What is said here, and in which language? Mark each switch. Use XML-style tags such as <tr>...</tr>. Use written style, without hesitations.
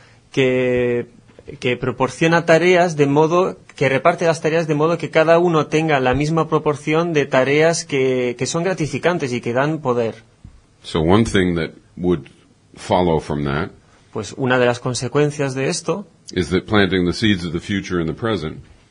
<es>que proporciona tareas de modo que reparte las tareas de modo que cada uno tenga la misma proporción de tareas que son gratificantes y que dan poder.</es> <en>So one thing that would follow from that,</en> <es>pues una de las consecuencias de esto,</es> <en>is that planting the seeds of the future in the present,</en>